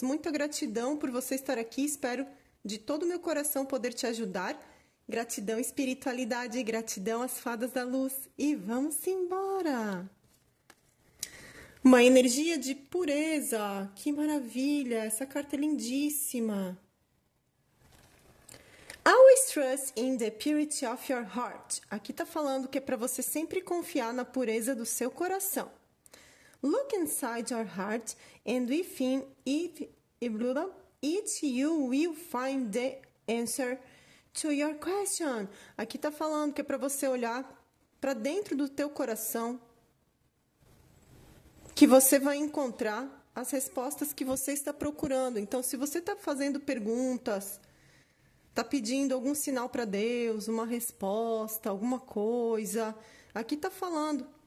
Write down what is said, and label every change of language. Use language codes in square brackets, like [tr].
[pt] Muita gratidão por você estar aqui. Espero de todo o meu coração poder te ajudar. Gratidão, espiritualidade, gratidão às fadas da luz. E vamos embora. Uma energia de pureza. Que maravilha! Essa carta é lindíssima. [en] Always trust in the purity of your heart. [pt] Aqui está falando que é para você sempre confiar na pureza do seu coração. [en] Look inside your heart and within it you will find the answer to your question. [pt] Aqui está falando que é para você olhar para dentro do teu coração, que você vai encontrar as respostas que você está procurando. Então, se você está fazendo perguntas, tá pedindo algum sinal para Deus, uma resposta, alguma coisa. Aqui tá falando.